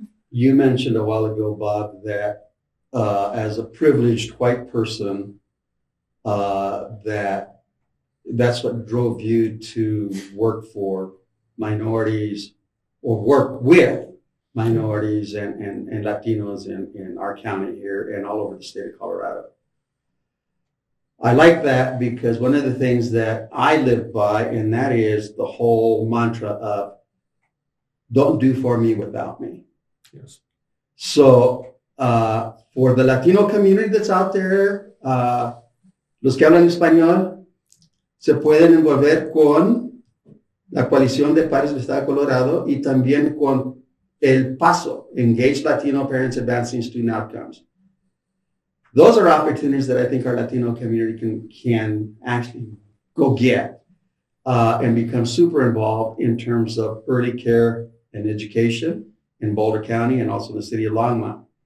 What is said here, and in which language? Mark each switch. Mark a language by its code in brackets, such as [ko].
[en] You mentioned a while ago, Bob, that as a privileged white person, that's what drove you to work for minorities or work with minorities and Latinos in our county here and all over the state of Colorado. I like that because one of the things that I live by, and that is the whole mantra of don't do for me without me. Yes. So for the Latino community that's out there, [es] los que hablan español, se pueden envolver con la coalición de padres del estado de Colorado y también con el PASO, Engage Latino Parents Advancing Student Outcomes. [en] Those are opportunities that I think our Latino community can actually go get and become super involved in terms of early care and education in Boulder County and also the city of Longmont.